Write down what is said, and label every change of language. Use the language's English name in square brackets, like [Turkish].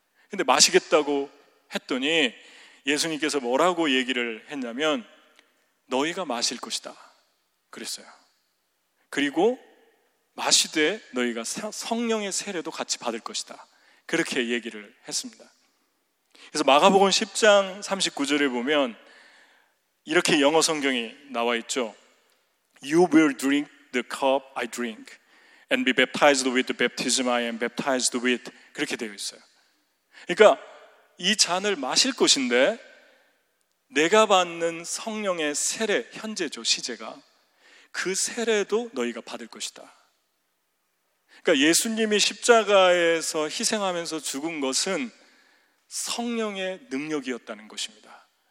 [Korean] 근데 마시겠다고 했더니 예수님께서 뭐라고 얘기를 했냐면 너희가 마실 것이다 그랬어요. 그리고 마시되 너희가 성령의 세례도 같이 받을 것이다 그렇게 얘기를 했습니다. 그래서 마가복음 10장 39절에 보면 이렇게 영어 성경이 나와 있죠. [English] You will drink the cup I drink and be baptized with the baptism I am baptized with [Korean] 그렇게 되어 있어요. 그러니까 이 잔을 마실 것인데 내가 받는 성령의 세례 현재죠 시제가 그 세례도 너희가 받을 것이다. 그러니까 예수님이 십자가에서 희생하면서 죽은 것은 성령의 능력이었다는 것입니다.